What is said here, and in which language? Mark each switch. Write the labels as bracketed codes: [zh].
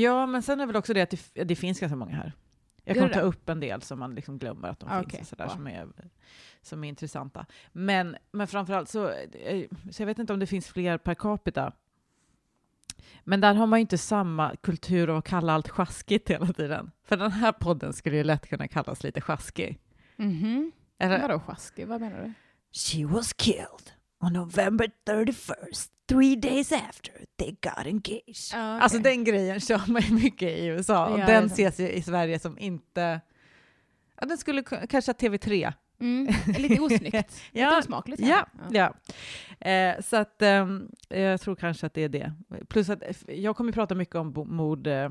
[sv] Ja, men sen är väl också det att det finns ganska många här. Jag kommer ta upp en del som man liksom glömmer att de finns sådär, som är intressanta. Men framförallt så jag vet inte om det finns fler per capita. Men där har man ju inte samma kultur att kalla allt sjaskigt hela tiden. För den här podden skulle ju lätt kunna kallas lite sjaskig. Mm-hmm. Eller, vadå sjaskig? Vad menar du? [en] She was killed on November 31st, 3 days after they got engaged. Ah, okay. [sv] Alltså den grejen kör man ju mycket i USA. Ja, och den ses ju i Sverige som inte... Ja, den skulle kanske ha TV3. Mm, lite osnyggt. Ja, lite osmakligt. Ja, ja. Så att jag tror kanske att det är det. Plus att jag kommer prata mycket om mord